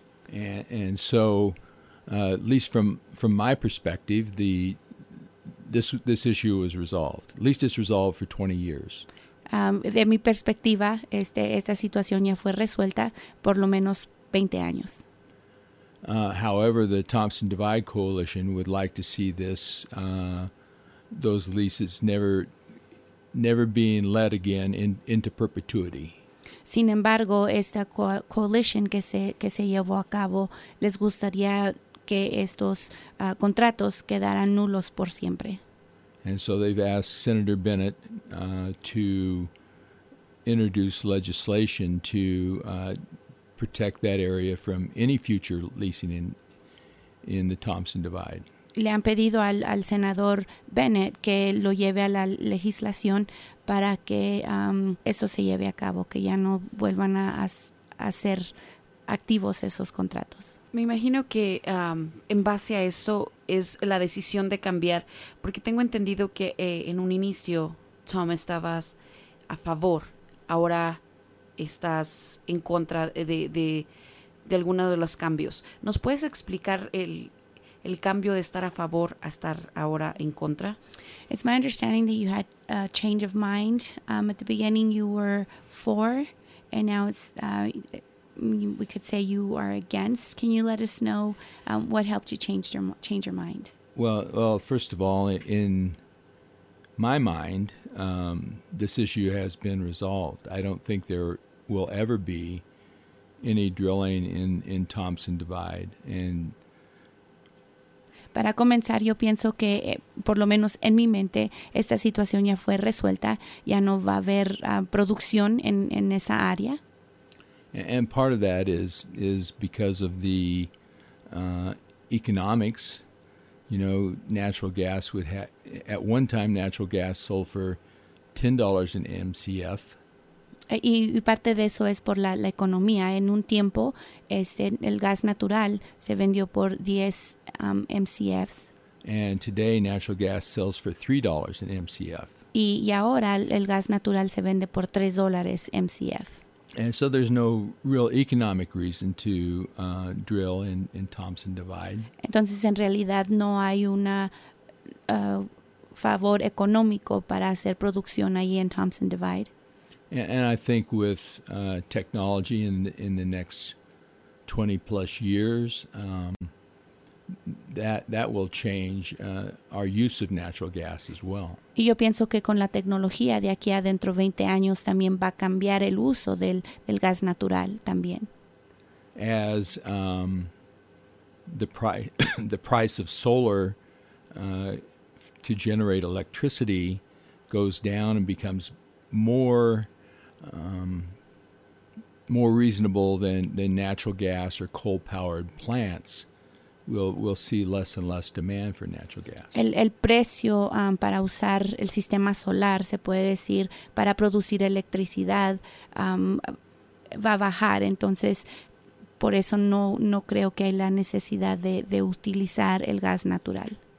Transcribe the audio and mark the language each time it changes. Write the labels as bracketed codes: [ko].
[en] And so, at least from my perspective, this issue was resolved. At least it's resolved for 20 years. [es] De mi perspectiva, esta situación ya fue resuelta por lo menos 20 años. [en] However, the Thompson Divide Coalition would like to see this those leases never being let again into perpetuity. [es] Sin embargo, esta coalition que se llevó a cabo, les gustaría que estos contratos quedaran nulos por siempre. [en] And so they've asked Senator Bennett to introduce legislation to protect that area from any future leasing in the Thompson Divide. [es] Le han pedido al senador Bennett que lo lleve a la legislación para que eso se lleve a cabo, que ya no vuelvan a ser activos esos contratos. Me imagino que en base a eso es la decisión de cambiar, porque tengo entendido que en un inicio, Tom, estabas a favor, ahora estás en contra de alguno de los cambios. ¿Nos puedes explicar el cambio de estar a favor a estar ahora en contra? [en] It's my understanding that you had a change of mind. At the beginning you were for, and now it's we could say you are against. Can you let us know what helped you change your mind? Well, first of all, in my mind, this issue has been resolved. I don't think there will ever be any drilling in Thompson Divide. And [es] para comenzar, yo pienso que, por lo menos en mi mente, esta situación ya fue resuelta. Ya no va a haber producción en esa área. [en] And part of that is because of the economics. You know, natural gas would have, at one time, natural gas sold for $10 an MCF. [es] Y parte de eso es por la economía. En un tiempo, el gas natural se vendió por 10 MCFs. [en] And today, natural gas sells for $3 an MCF. [es] Y ahora, el gas natural se vende por $3 MCF. [en] And so there's no real economic reason to drill in Thompson Divide. [es] Entonces, en realidad, no hay una favor económico para hacer producción ahí en Thompson Divide. [en] And I think with technology in the next 20 plus years, that will change our use of natural gas as well. [es] Y yo pienso que con la tecnología de aquí a dentro 20 años también va a cambiar el uso del gas natural también. [en] As the price of solar to generate electricity goes down and becomes more more reasonable than natural gas or coal powered plants, we'll see less and less demand for natural gas. [es] El precio para usar el sistema solar, se puede decir, para producir electricidad va a bajar, entonces por eso no creo que hay la necesidad de utilizar el gas natural.